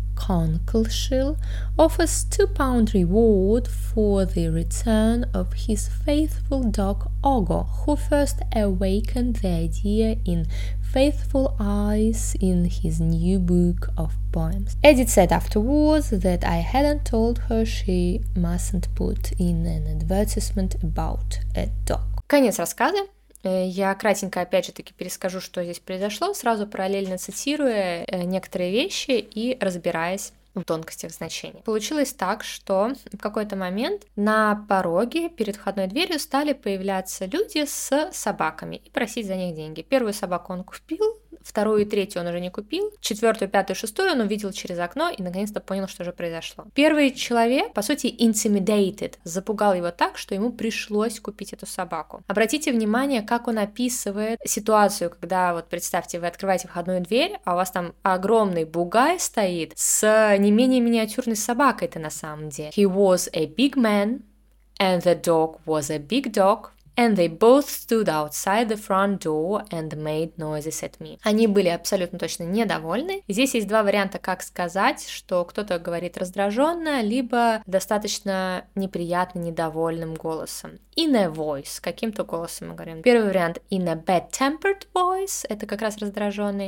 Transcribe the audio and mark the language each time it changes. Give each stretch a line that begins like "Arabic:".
English: Conkleshill offers £2 reward for the return of his faithful dog Ogo, who first awakened the idea in Faithful Eyes in his new book of poems. Edith said afterwards that I hadn't told her she mustn't put in an advertisement about a dog.
Russian: Конец рассказа. Я кратенько опять же таки перескажу, что здесь произошло, сразу параллельно цитируя некоторые вещи и разбираясь в тонкостях значения. Получилось так, что в какой-то момент на пороге перед входной дверью стали появляться люди с собаками и просить за них деньги. Первую собаку он купил, вторую и третью он уже не купил, четвертую, пятую, шестую он увидел через окно и наконец-то понял, что же произошло. Первый человек, по сути, intimidated, запугал его так, что ему пришлось купить эту собаку. Обратите внимание, как он описывает ситуацию, когда, вот представьте, вы открываете входную дверь, а у вас там огромный бугай стоит с не менее миниатюрной собакой-то на самом деле.
English: He was a big man, and the dog was a big dog. And they both stood outside the front door and made noises at me.
Russian: Они были абсолютно точно недовольны. Здесь есть 2 варианта, как сказать, что кто-то говорит раздраженно, либо достаточно неприятно, недовольным голосом.
English: In a voice,
Russian: каким-то голосом мы говорим. Первый вариант
English: in a bad-tempered voice,
Russian: это как раз раздраженный.